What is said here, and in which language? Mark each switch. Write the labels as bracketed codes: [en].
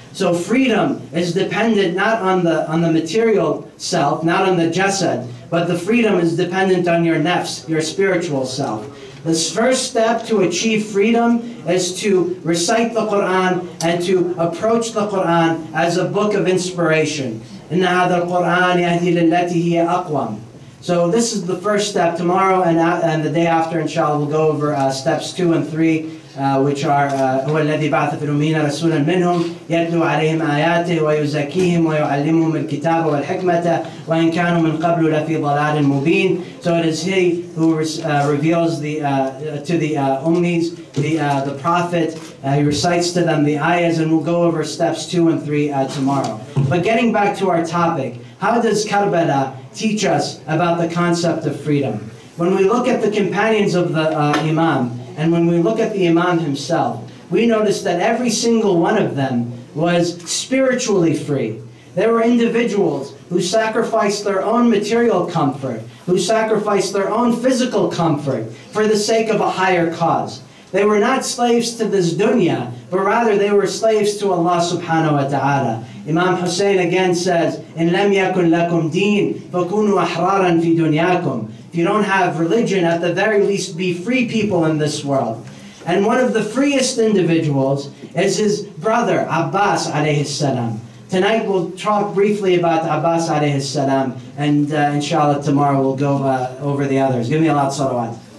[en] So freedom is dependent not on the material self, not on the jasad, but the freedom is dependent on your nafs, your spiritual self. The first step to achieve freedom is to recite the Qur'an and to approach the Qur'an as a book of inspiration. [ar] إِنَّ هَذَا الْقُرْآنِ يَهْدِي لِلَّتِي هِيَ أَقْوَمُ. [en] So this is the first step. Tomorrow and the day after, inshallah, we'll go over steps 2 and 3, which are [ar] هُوَ الَّذِي بَعْثَ فِي الْأُمِّيِّينَ رَسُولًا مِّنْهُمْ يَتْلُوا عَلَيْهِمْ آيَاتِهِ وَيُزَكِّيهِمْ وَيُعَلِّمُهُمُ الْكِتَابَ وَالْحِكْمَةَ وَإِنْ كَانُوا مِنْ قَبْلُ لَفِي ضَلَالٍ مُبِينٍ. [en] So it is he who reveals to the ummis, the prophet. He recites to them the ayahs, and we'll go over steps 2 and 3 tomorrow. But getting back to our topic, how does Karbala teach us about the concept of freedom? When we look at the companions of the Imam, and when we look at the Imam himself, we notice that every single one of them was spiritually free. They were individuals who sacrificed their own material comfort, who sacrificed their own physical comfort for the sake of a higher cause. They were not slaves to this dunya, but rather they were slaves to Allah subhanahu wa ta'ala. Imam Hussein again says, [ar] إِنْ لَمْ يَكُنْ لَكُمْ دِينَ فَكُونُوا أَحْرَارًا فِي دُنْيَاكُمْ. [en] If you don't have religion, at the very least be free people in this world. And one of the freest individuals is his brother, Abbas alayhi salam. Tonight we'll talk briefly about Abbas alayhi salam, and inshallah tomorrow we'll go over the others. Give me a lot of salawat.